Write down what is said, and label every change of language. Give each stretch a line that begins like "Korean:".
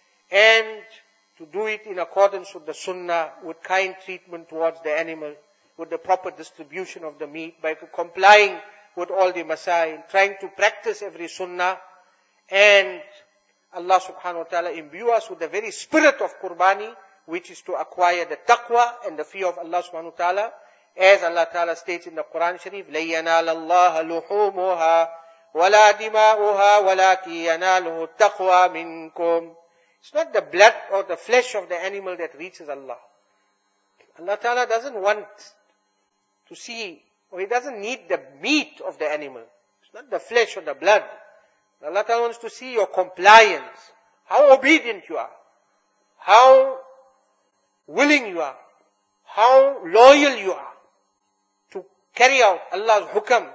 English: and to do it in accordance with the sunnah, with kind treatment towards the animal, with the proper distribution of the meat, by complying with all the masail, trying to practice every sunnah, and Allah subhanahu wa ta'ala imbue us with the very spirit of qurbani, which is to acquire the taqwa and the fear of Allah subhanahu wa ta'ala. As Allah ta'ala states in the Quran Sharif,
Arabic: لَيَّنَالَ اللَّهَ لُحُومُهَا وَلَا دِمَاؤُهَا وَلَكِي يَنَالُهُ التَّقْوَى مِنْكُمْ.
English: It's not the blood or the flesh of the animal that reaches Allah. Allah ta'ala doesn't want to see, or He doesn't need the meat of the animal. It's not the flesh or the blood. Allah ta'ala wants to see your compliance, how obedient you are, how willing you are, how loyal you are to carry out Allah's hukam.